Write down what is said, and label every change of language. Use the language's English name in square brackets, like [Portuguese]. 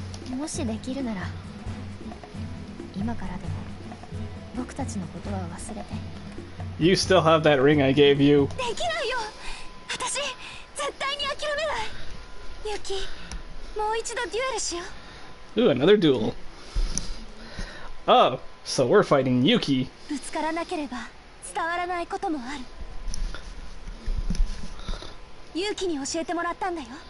[Japanese] もしできるなら、今からでも僕たちのことは忘れて。 [English] You still have that ring I gave you. [Japanese] できないよ。私絶対に諦めない。ユキ、もう一度デュエルしよう。 [English] Ooh, another duel. Oh, so we're fighting Yuki. [Japanese] ぶつからなければ。伝わらないこともある。勇気に教えてもらったんだよ。